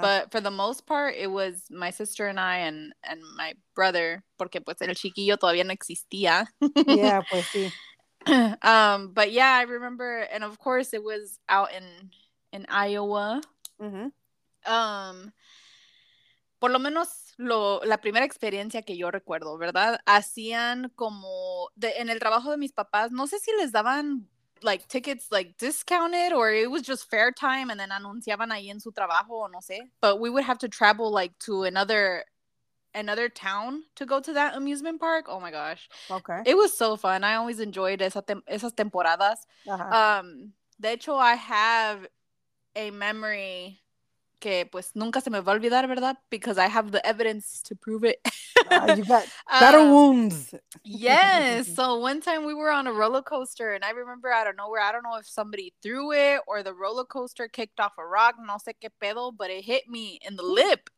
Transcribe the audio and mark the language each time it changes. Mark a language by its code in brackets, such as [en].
[en] But for the most part, it was my sister and I and my brother, [es] porque pues el chiquillo todavía no existía. [en] Yeah, [es] pues sí. [en] But yeah, I remember, and of course it was out in Iowa. Mm-hmm. [es] Por lo menos la primera experiencia que yo recuerdo, ¿verdad? Hacían como en el trabajo de mis papás, no sé si les daban [en] like tickets like discounted or it was just fair time and then [es] anunciaban ahí en su trabajo o no sé. [en] But we would have to travel like to another town to go to that amusement park. Oh my gosh. Okay. It was so fun. I always enjoyed [es] esas temporadas. Uh-huh. De hecho, [en] I have a memory [es] que pues nunca se me va a olvidar, ¿verdad? [en] Because I have the evidence to prove it. You got battle wounds. Yes. So one time we were on a roller coaster and I remember out of nowhere, I don't know if somebody threw it or the roller coaster kicked off a rock, [es] no sé qué pedo, [en] but it hit me in the lip.